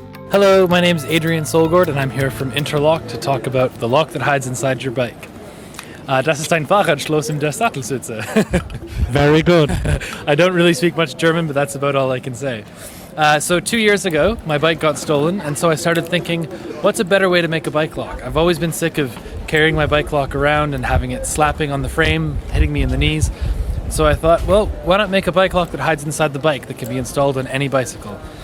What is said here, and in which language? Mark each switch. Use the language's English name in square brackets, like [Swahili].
[English] Hello, my name is Adrian Solgord and I'm here from Interlock to talk about the lock that hides inside your bike. [German] Das ist ein Fahrradschloss in der Sattelstütze. [English] Very good. I don't really speak much German, but that's about all I can say. So 2 years ago, my bike got stolen, and so I started thinking, what's a better way to make a bike lock? I've always been sick of carrying my bike lock around and having it slapping on the frame, hitting me in the knees. So I thought, well, why not make a bike lock that hides inside the bike that can be installed on any bicycle?